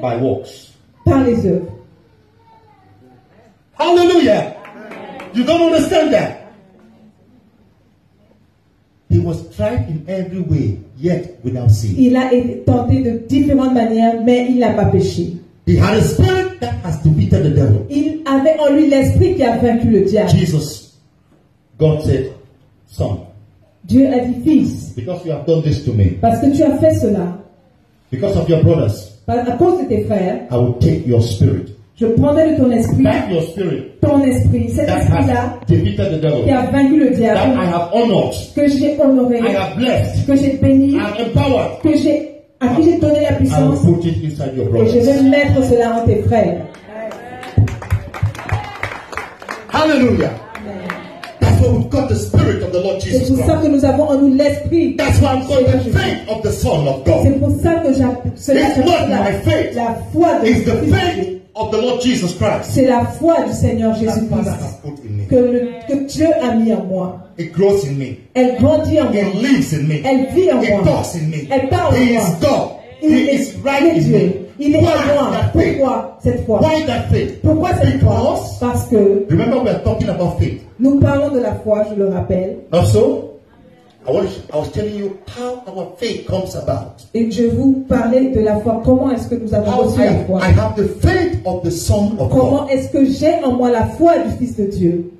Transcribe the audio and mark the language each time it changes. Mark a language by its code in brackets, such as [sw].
[en] By works. [fr] Par les œuvres. [en] Hallelujah. You don't understand that. He was tried in every way, yet without sin. [fr] Il a été tenté de différentes manières, mais il n'a pas péché. [en] He had a spirit that has defeated the devil. [fr] Il avait en lui l'esprit qui a vaincu le diable. [en] Jesus, God said, son. [fr] Dieu a dit, fils. [en] Because you have done this to me. [fr] Parce que tu as fait cela. [en] Because of your brothers. [fr] À cause de tes frères. [en] I will take your spirit. [fr] Je prendrai de ton esprit. [en] Back your spirit. [fr] Ton esprit, cet esprit-là qui a vaincu le diable, [en] that I have honored, [fr] que j'ai honoré, [en] I have blessed, [fr] que j'ai béni, [en] I have empowered, [fr] que j'ai, à qui j'ai donné la puissance, [en] I will put it inside your brothers. [fr] Et je vais mettre cela en tes frères. [en] Hallelujah. That's why we've got the spirit of the Lord Jesus. [fr] C'est pour ça que nous avons en nous l'esprit. [en] That's why I'm calling the faith of the Son of God. [fr] C'est pour ça que j'appelle la foi de [en] Jésus. Is the faith of the Lord Jesus Christ. [fr] C'est la foi du Seigneur Jésus-Christ. [en] That Father has put in me. [fr] que Dieu a mis en moi. [en] It grows in me. [fr] Elle grandit en moi. [en] It lives in me. [fr] Elle vit en moi. [en] It talks in me. [fr] Elle parle en moi. [en] He is God. [fr] Il est [en] right in me. [fr] Il est [en] why [fr] à moi. Pourquoi cette foi? [en] Why that faith? [fr] Pourquoi cette [en] because [fr] foi? Parce que. [en] Remember, we are talking about faith. [fr] Nous parlons de la foi, je le rappelle. [en] Also, I was telling you how our faith comes about. [fr] Et je vous parlais de la foi. Comment est-ce que nous avons [en] how [fr] reçu [en] I, [fr] la foi? [en] I have the faith of the Son of [fr] comment [en] God. [fr] Comment est-ce que j'ai en moi la foi du Fils de Dieu?